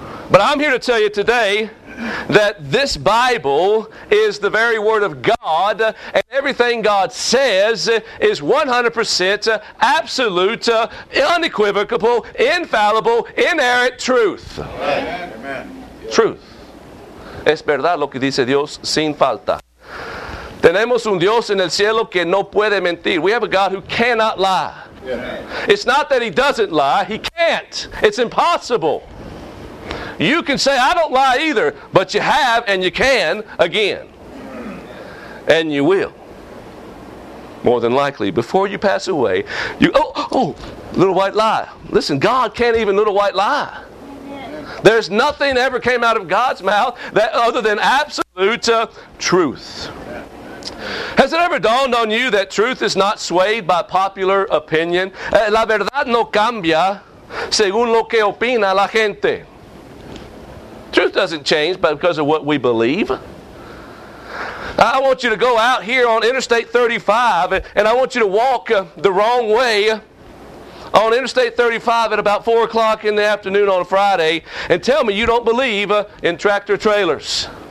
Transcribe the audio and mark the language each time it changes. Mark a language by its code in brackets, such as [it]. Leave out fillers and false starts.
[en] But I'm here to tell you today that this Bible is the very Word of God, and everything God says is 100% absolute, unequivocal, infallible, inerrant truth. Amen. Truth. [es] Es verdad lo que dice Dios sin falta. Tenemos un Dios en el cielo que no puede mentir. [en] We have a God who cannot lie. Yeah. It's not that He doesn't lie. He can't. It's impossible. You can say, I don't lie either, but you have, and you can, again. And you will. More than likely, before you pass away, little white lie. Listen, God can't even little white lie. There's nothing ever came out of God's mouth that other than absolute truth. Has it ever dawned on you that truth is not swayed by popular opinion? [es] La verdad no cambia según lo que opina la gente. [en] Truth doesn't change because of what we believe. I want you to go out here on Interstate 35, and I want you to walk the wrong way on Interstate 35 at about 4 o'clock in the afternoon on a Friday, and tell me you don't believe in tractor trailers.